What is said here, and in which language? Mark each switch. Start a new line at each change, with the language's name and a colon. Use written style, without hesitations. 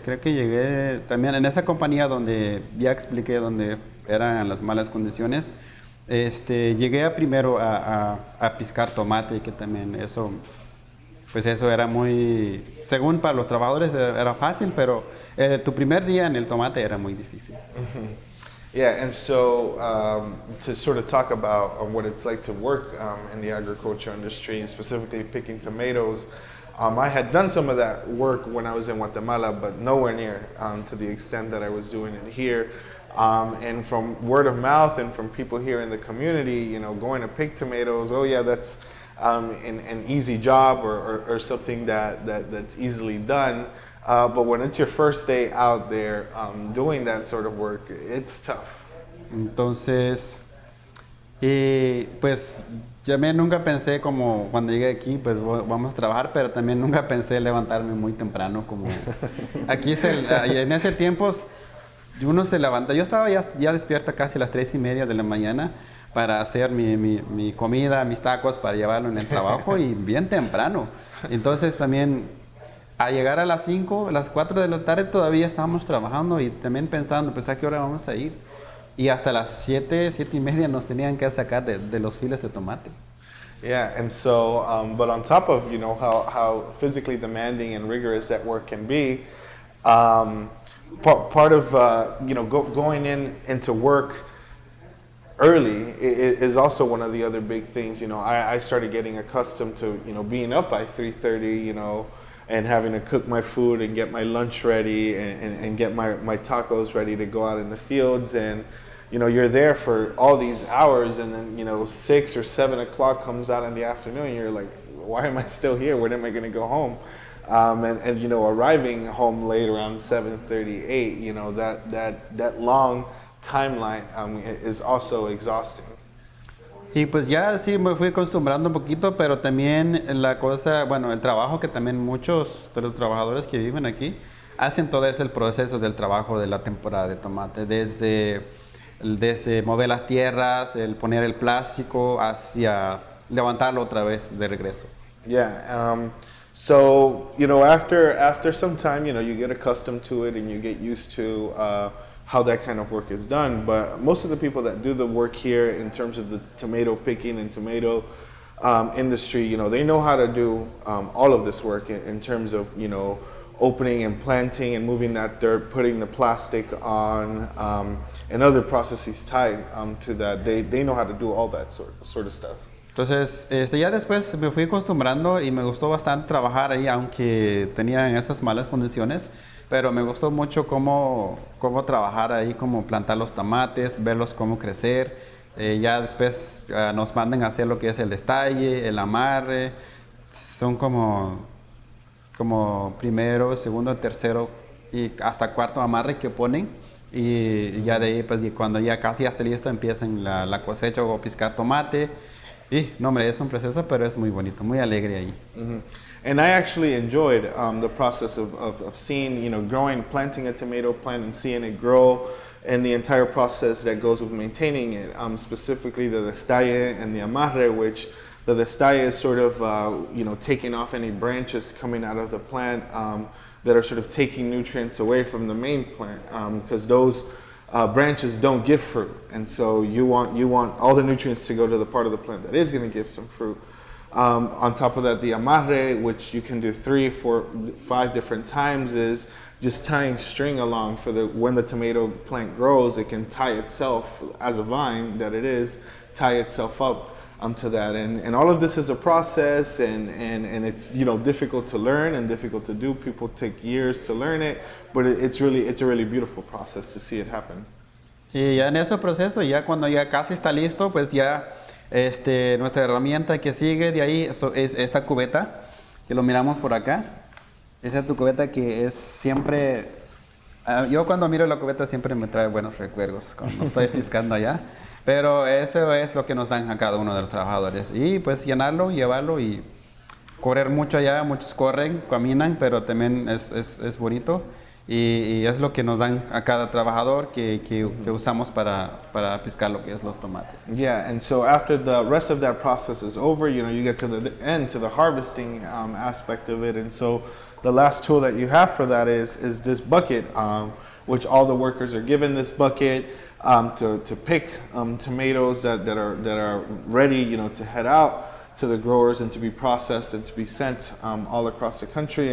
Spanish: Creo que llegué también en esa compañía donde ya expliqué dónde eran las malas condiciones. Llegué primero a piscar tomate, que también eso, pues eso era muy, según para los trabajadores era fácil, pero tu primer día en el tomate era muy difícil.
English: Yeah, and so to sort of talk about what it's like to work in the agriculture industry, and specifically picking tomatoes, I had done some of that work when I was in Guatemala, but nowhere near to the extent that I was doing it here. And from word of mouth and from people here in the community, you know, going to pick tomatoes, oh yeah, that's an easy job or something that's easily done. But when it's your first day out there doing that sort of work, it's tough.
Spanish: Entonces, pues, yo nunca pensé como cuando llegué aquí, pues vamos a trabajar, pero también nunca pensé levantarme muy temprano como aquí es el, en ese tiempo. Uno se levanta, yo estaba ya despierta casi a las 3:30 de la mañana para hacer mi comida, mis tacos, para llevarlo en el trabajo y bien temprano. Entonces también a llegar a las 5, a las 4 de la tarde todavía estábamos trabajando y también pensando, pues a qué hora vamos a ir. Y hasta las 7:30 nos tenían que sacar de los files de tomate.
English: Yeah, and so, but on top of, you know, how physically demanding and rigorous that work can be, part of going into work early is also one of the other big things. You know, I started getting accustomed to, you know, being up by 3:30, you know, and having to cook my food and get my lunch ready and get my tacos ready to go out in the fields. And you know, you're there for all these hours, and then, you know, 6 or 7 o'clock comes out in the afternoon, and you're like, why am I still here? When am I going to go home? And you know, arriving home late around 7:38, you know, that long timeline is also exhausting.
Spanish: Y pues ya sí me fui acostumbrando un poquito, pero también la cosa, bueno, el trabajo que también muchos de los trabajadores que viven aquí hacen todo ese proceso del trabajo de la temporada de tomate, desde mover las tierras, el poner el plástico hacia levantarlo otra vez de regreso.
English: Yeah. So, you know, after some time, you know, you get accustomed to it and you get used to how that kind of work is done. But most of the people that do the work here in terms of the tomato picking and tomato industry, you know, they know how to do all of this work in terms of, you know, opening and planting and moving that dirt, putting the plastic on and other processes tied to that. They know how to do all that sort of stuff.
Spanish: Entonces, ya después me fui acostumbrando y me gustó bastante trabajar ahí, aunque tenía esas malas condiciones, pero me gustó mucho cómo trabajar ahí, cómo plantar los tomates, verlos cómo crecer. Ya después nos mandan a hacer lo que es el destalle, el amarre. Son como primero, segundo, tercero y hasta cuarto amarre que ponen. Y ya de ahí, pues, cuando ya casi ya está listo, empiezan la cosecha o piscar tomate. Y, no hombre, es un proceso, pero es muy bonito, muy alegre ahí. Mm-hmm.
English: And I actually enjoyed the process of seeing, you know, growing, planting a tomato plant and seeing it grow, and the entire process that goes with maintaining it, specifically the destalle and the amarre, which the destalle is sort of, you know, taking off any branches coming out of the plant that are sort of taking nutrients away from the main plant, because those branches don't give fruit, and so you want all the nutrients to go to the part of the plant that is going to give some fruit. On top of that, the amarre, which you can do 3, 4, 5 different times, is just tying string along for the when the tomato plant grows, it can tie itself as a vine that it is, tie itself up to that. And all of this is a process, and it's, you know, difficult to learn and difficult to do. People take years to learn it, but it's a really beautiful process to see it happen.
Spanish: Y ya en ese proceso, ya cuando ya casi está listo, pues ya nuestra herramienta que sigue de ahí es esta cubeta que lo miramos por acá. Esa es tu cubeta que es siempre, yo cuando miro la cubeta siempre me trae buenos recuerdos cuando estoy fiscando allá. Pero eso es lo que nos dan a cada uno de los trabajadores. Y pues llenarlo, llevarlo y correr mucho allá. Muchos corren, caminan, pero también es bonito. Y es lo que nos dan a cada trabajador que usamos para piscar lo que es los tomates.
English: Yeah, and so after the rest of that process is over, you know, you get to the end, to the harvesting aspect of it. And so the last tool that you have for that is this bucket, which all the workers are given this bucket to pick tomatoes that are ready, you know, to head out to the growers and to be processed and to be sent all across the country.